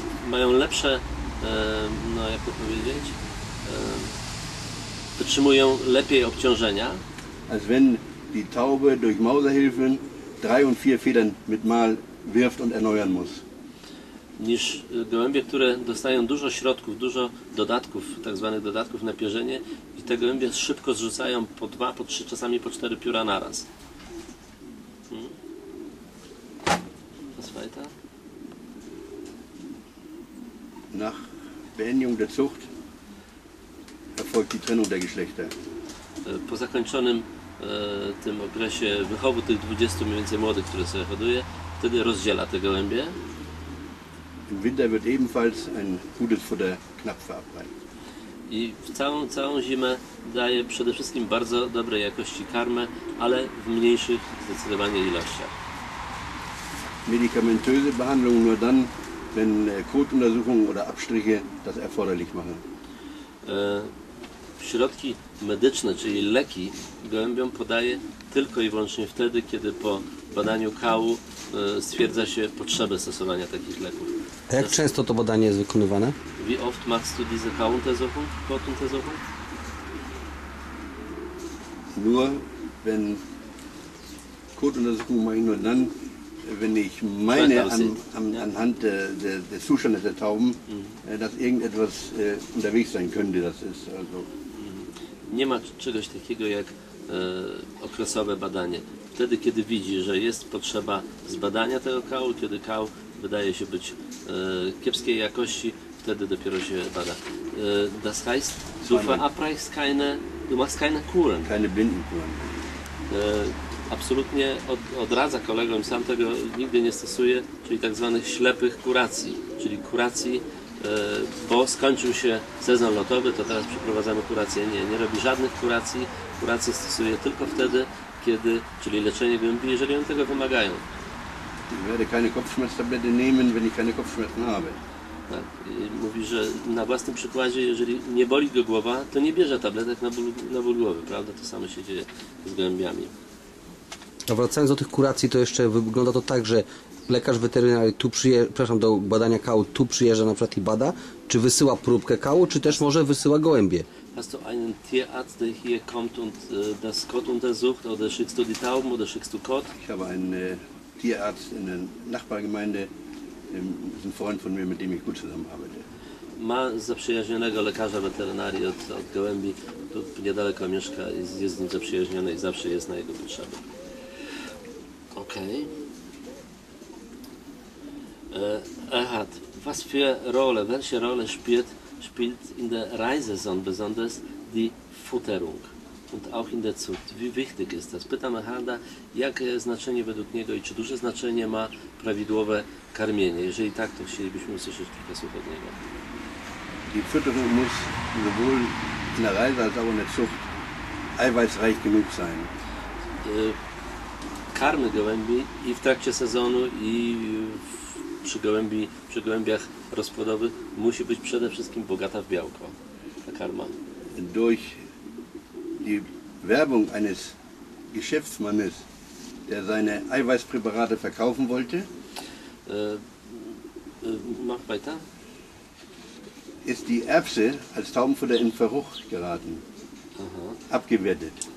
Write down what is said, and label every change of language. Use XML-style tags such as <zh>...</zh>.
<pl>Mają lepsze, no jak to powiedzieć, wytrzymują lepiej obciążenia.</pl> <de>Als wenn die Taube durch Mauserhilfen drei und vier Federn mit mal wirft und erneuern muss.</de> <pl>Niż gołębie, które dostają dużo środków, dużo dodatków, tak zwanych dodatków na pierzenie, i te gołębie szybko zrzucają po dwa, po trzy, czasami po cztery pióra naraz.</pl> <de>Was weiter? Nach Beendigung der Zucht erfolgt die Trennung der Geschlechter.</de> <pl>Po zakończonym tym okresie wychowu tych 20 mniej więcej młodych, które sobie hoduje, wtedy rozdziela te gołębie.</pl> <de>Im Winter wird ebenfalls ein gutes Futter knapp verabreicht.</de> <pl>I w całą zimę daje przede wszystkim bardzo dobrej jakości karmę, ale w mniejszych zdecydowanie ilościach.</pl> <de>Medikamentöse Behandlung nur dann, wenn Kotuntersuchungen oder Abstriche das erforderlich machen.</de> <pl>Środki medyczne, czyli leki, gołębiom podaje tylko i wyłącznie wtedy, kiedy po badaniu kału stwierdza się potrzebę stosowania takich leków. A jak często to badanie jest wykonywane?</pl> <de>Wie oft machst du diese Kauuntersuchung, Kotuntersuchung? Nur wenn Kotuntersuchung mache ich nur dann, wenn ich meine anhand des Zustandes der Tauben, dass irgendetwas unterwegs sein könnte, das ist also.</de> <pl>Nie ma czegoś takiego jak okresowe badanie. Wtedy, kiedy widzi, że jest potrzeba zbadania tego kału, kiedy kał wydaje się być kiepskiej jakości, wtedy dopiero się bada.</pl> <de>Das heißt, du verabreichst keine, du machst keine Kuren. Keine blinden Kuren.</de> <pl>Absolutnie odradza kolegom, sam tego nigdy nie stosuje, czyli tak zwanych ślepych kuracji, czyli kuracji. Bo skończył się sezon lotowy, to teraz przeprowadzamy kurację. Nie robi żadnych kuracji. Kurację stosuje tylko wtedy, kiedy, czyli leczenie gołębi, jeżeli one tego wymagają.</pl> <de>Werde keine Kopfschmerztablette nehmen, wenn ich keine Kopfschmerzen habe.</de> <pl>Tak. Mówi, że na własnym przykładzie, jeżeli nie boli go głowa, to nie bierze tabletek na ból głowy, prawda? To samo się dzieje z gołębiami. A wracając do tych kuracji, to jeszcze wygląda to tak, że lekarz weterynarii tu przyjeżdża, przepraszam, do badania kału tu przyjeżdża na przykład i bada, czy wysyła próbkę kału, czy też może wysyła gołębie. Hast du einen Tierarzt, der hier kommt und das Kot untersucht, oder schickst du die Tauben, oder schickst du Kot? Ich habe einen Tierarzt in der Nachbargemeinde, das ist ein Freund von mir, mit dem ich gut zusammenarbeite. Ma zaprzyjaźnionego lekarza weterynarii od gołębi, tu niedaleko mieszka, jest z nim zaprzyjaźniony i zawsze jest na jego potrzeby. Okej. Okay.</pl> <de>Erhard, was für Rolle, welche Rolle spielt in der Reisesaison besonders die Futterung und auch in der Zucht? Wie wichtig ist das?</de> <pl>Pytam Erharda, jakie znaczenie według niego i czy duże znaczenie ma prawidłowe karmienie? Jeżeli tak, to chcielibyśmy usłyszeć kilka słów od niego.</pl> <de>Die Fütterung muss sowohl in der Reise als auch in der Zucht eiweißreich genug sein.</de> <pl>Karmy gołębi i w trakcie sezonu i w przy gołębiach rozpłodowych musi być przede wszystkim bogata w białko, ta karma.</pl> <de>Durch die Werbung eines Geschäftsmannes, der seine Eiweißpräparate verkaufen wollte, mach weiter. Ist die Erbse als Taubenfutter in Verruch geraten, abgewertet.</de>